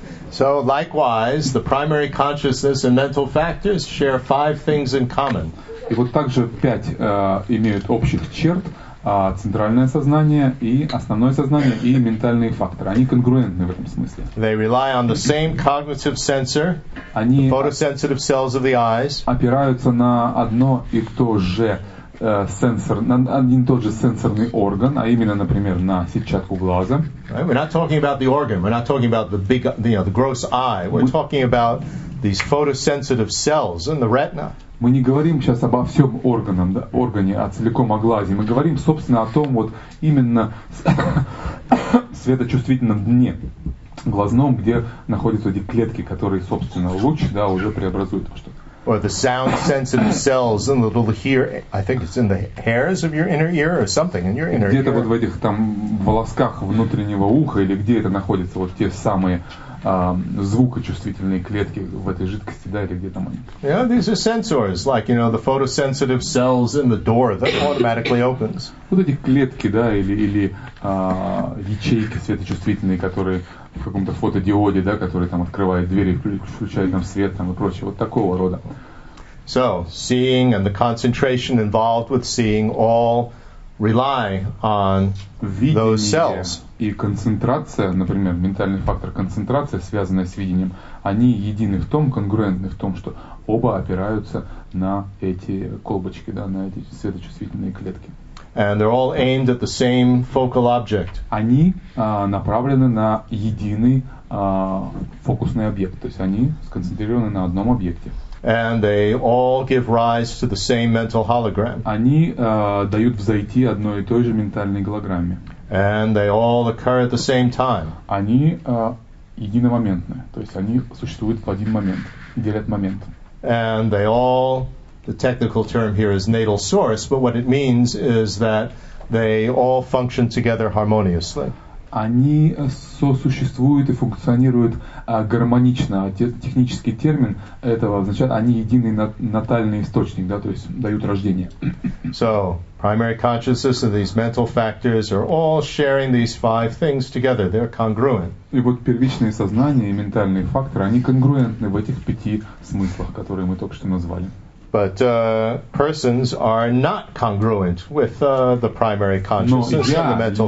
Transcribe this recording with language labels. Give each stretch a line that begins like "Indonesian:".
English: So likewise, the primary consciousness and mental factors share five things in common.
Russian: И вот также пять имеют общих черт: центральное сознание и основное сознание и ментальные факторы. Они конгруентны в этом смысле.
English: They rely on the same cognitive sensor,
Russian: они
English: the photosensitive cells of the eyes.
Russian: Опираются на одно и то же. Сенсор, один тот же сенсорный орган, а именно, например, на сетчатку глаза.
English: Right, we're not talking about the organ. We're not talking about the big, you know, the gross eye. We're talking about these photosensitive cells in the retina.
Russian: Мы не говорим сейчас обо всем органам, да, органе, а целиком о глазе. Мы говорим, собственно, о том вот именно светочувствительном дне глазном, где находятся эти клетки, которые, собственно, луч, да, уже преобразуют во что-то.
English: Or the sound-sensitive cells in the little ear, I think it's in the hairs of your inner ear or something in your inner
Russian: где-то
English: ear.
Russian: Где-то вот в этих там волосках внутреннего уха или где это находится вот те самые звукочувствительные клетки в этой жидкости, да, или где там они?
English: Yeah, these are sensors, like, you know, the photosensitive cells in the door that automatically opens.
Russian: Вот эти клетки, да, или ячейки светочувствительные, которые в каком-то фотодиоде, да, которые там открывают двери, включают там свет там, и прочее, вот такого рода.
English: So, seeing and the concentration involved with seeing all rely on those cells.
Russian: И концентрация, например, ментальный фактор концентрации, связанная с видением, они едины в том, конгруентны в том, что оба опираются на эти колбочки, да, на эти светочувствительные клетки.
English: And they're all aimed at the same focal object.
Russian: Они направлены на единый фокусный объект, то есть они сконцентрированы на одном объекте.
English: And they all give rise to the same mental hologram.
Russian: Они дают взойти одной и той же ментальной голограмме.
English: And they all occur at the same time.
Russian: Они единомоментны, то есть они существуют в один момент, делят момент.
English: And they all, the technical term here is natal source, but what it means is that they all function together harmoniously.
Russian: Они сосуществуют и функционируют гармонично. Технический термин этого означает, они единый натальный источник, да, то есть дают рождение.
English: So, primary consciousness and these mental factors are all sharing these five things together. They're congruent.
Russian: И вот первичные сознания и ментальные факторы, они конгруентны в этих пяти смыслах, которые мы только что назвали.
English: But persons are not congruent with the primary consciousness and the mental